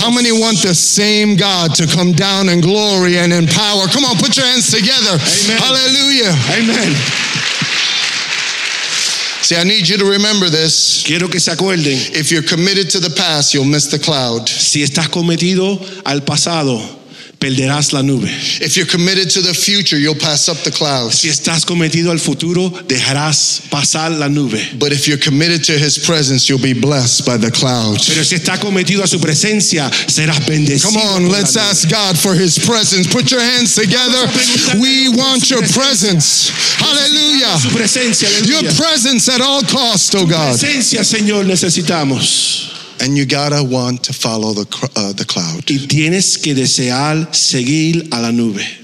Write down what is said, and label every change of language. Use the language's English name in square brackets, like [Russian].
[English] How many want the same God to come down in glory and in power? Come on, put your hands together. Amen. Hallelujah. Amen. See, I need you to remember this. [Spanish] Quiero que se acuerden. [English] If you're committed to the past, you'll miss the cloud. [Spanish] Si estás cometido al pasado, perderás la nube. [English] If you're committed to the future, you'll pass up the clouds. [Spanish] Si estás cometido al futuro, dejarás pasar la nube. [English] But if you're committed to his presence, you'll be blessed by the clouds. [Spanish] Pero si estás cometido a su presencia, serás bendecido. [English] Come on, let's ask God for his presence. Put your hands together. We want your presence. Hallelujah. [Spanish] Su presencia, aleluya. [English] Your presence at all costs, oh God. [Spanish] Su presencia, Señor, necesitamos. [English] And you gotta want to follow the cloud. [Spanish] Y tienes que desear seguir a la nube.